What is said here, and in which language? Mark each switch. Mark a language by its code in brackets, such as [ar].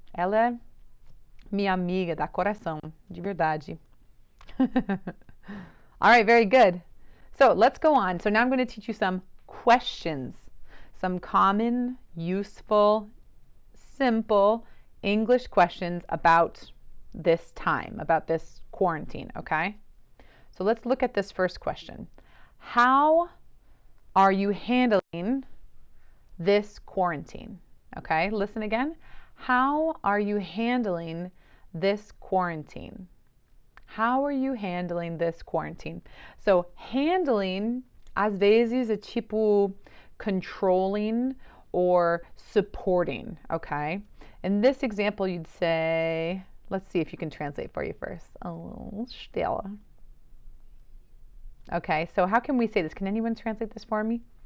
[pt] Ela é minha amiga da coração, de verdade. [en] All right, very good. So let's go on. So now I'm going to teach you some questions, some common, useful, simple English questions about this time, about this quarantine, okay? So let's look at this first question. How are you handling this quarantine? Okay, listen again. How are you handling this quarantine? How are you handling this quarantine? So, handling, [pt] às vezes, é tipo [en] controlling or supporting, okay? In this example, you'd say, let's see if you can translate for you first. Oh, Stella. Okay, so how can we say this? Can anyone translate this for me?